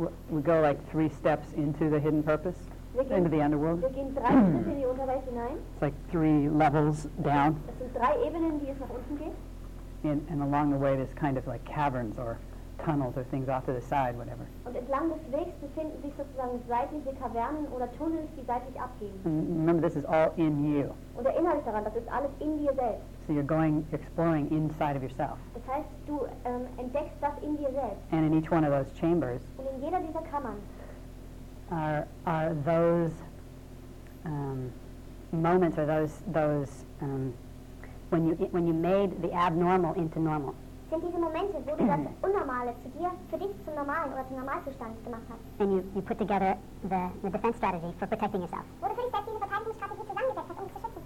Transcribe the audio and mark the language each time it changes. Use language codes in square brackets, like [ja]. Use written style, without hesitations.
[en] We go like three steps into the hidden purpose, into the underworld. [de] Wir gehen drei Schritte in die Unterwelt hinein. [en] It's like three levels down. [de] Es sind drei Ebenen, die es nach unten geht. [en] and along the way there's kind of like caverns or tunnels or things off to the side, whatever. [de] Und entlang des Wegs befinden sich sozusagen seitliche Kavernen oder Tunnels, die seitlich abgehen. [en] And remember, this is all in you. [de] Und erinnere dich daran, das ist alles in dir selbst. [en] So you're going exploring inside of yourself. [de] Das heißt, du entdeckst das in dir selbst. [en] And in each one of those chambers. [de] Und in jeder dieser Kammern. [en] Are those moments or those when you made the abnormal into normal? [de] Sind diese Momente, wo du das Unnormale zu dir, für dich zum Normalen oder zum Normalzustand gemacht hast? [en] And you put together the defense strategy for protecting yourself. [de] Wo du für dich selbst diese Verteidigungsstrategie zusammengesetzt hast, um zu schützen.